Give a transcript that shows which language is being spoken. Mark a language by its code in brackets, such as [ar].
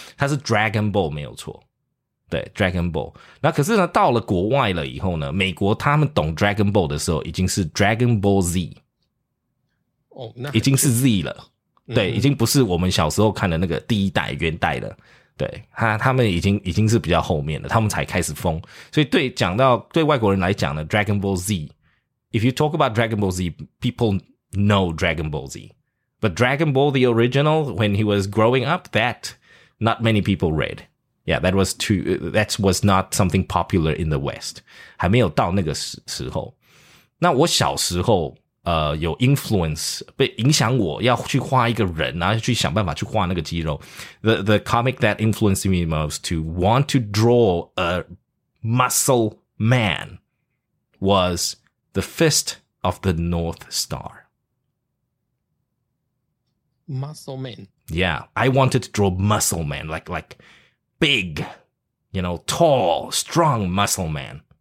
[zh] 它是 Dragon Ball 没有错。对 ，Dragon Ball。那可是呢，到了国外了以后呢，美国他们懂 Dragon Ball 的时候，已经是 Dragon Ball Z。哦，那已经是 Z 了。对，已经不是我们小时候看的那个第一代原代了。对，他们已经是比较后面的，他们才开始疯。所以对，讲到对外国人来讲呢 [en] ，Dragon Ball Z， if you talk about Dragon Ball Z， people know Dragon Ball Z， but Dragon Ball the original when he was growing up， that not many people read， yeah， that was not something popular in the West， [zh] 还没有到那个时候。那我小时候有 influence 被影响我要去画一个人，然后去想办法去画那个肌肉。 [en] The comic that influenced me most to want to draw a muscle man was the fist of the North Star. Muscle man. Yeah, I wanted to draw muscle man, like big, you know, tall, strong muscle man.